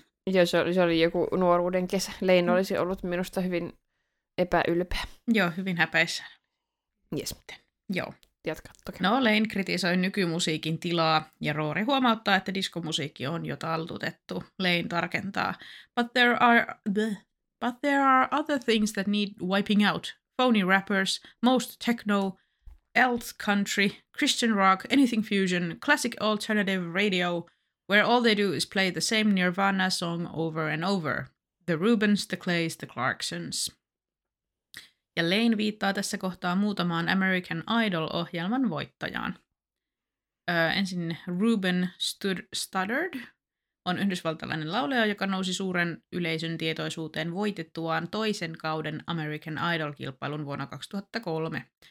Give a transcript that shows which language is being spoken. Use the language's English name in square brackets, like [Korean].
[Finnish] Joo, se oli joku nuoruuden kesä. Lane olisi ollut minusta hyvin epäylpeä. Joo, hyvin häpeissä. Jes. Joo. Jatka, toki. No, Lane kritisoi nykymusiikin tilaa, ja Rory huomauttaa, että diskomusiikki on jo taltutettu. Lane tarkentaa. [English] But there are other things that need wiping out. Phony rappers, most techno, alt country, Christian rock, anything fusion, classic alternative radio, where all they do is play the same Nirvana song over and over. The Rubens, the Clays, the Clarksons. [Finnish] Ja Lane viittaa tässä kohtaa muutamaan American Idol-ohjelman voittajaan. Ensin Ruben Studdard, on yhdysvaltalainen laulaja, joka nousi suuren yleisön tietoisuuteen voitettuaan toisen kauden American Idol-kilpailun vuonna 2003.